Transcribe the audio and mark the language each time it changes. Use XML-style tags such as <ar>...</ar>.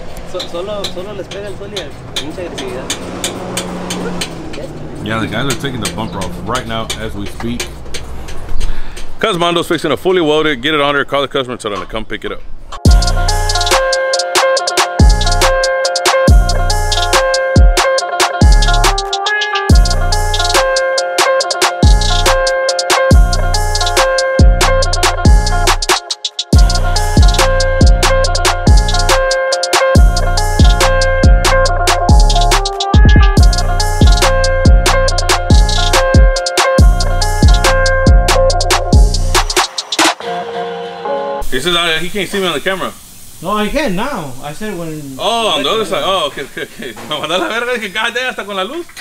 <es>solo les pega el sol y mucha agresividad.</es> <en>Yeah, the guys are taking the bumper off right now as we speak. Cosmondo's fixing to fully weld it. Get it on there, call the customer, tell them to come pick it up. He says he can't see me on the camera. No, I can now. I said when. Oh, on the other side. Oh, okay.</en> <es>Mandar la verga, que goddamn, hasta con la luz.</es>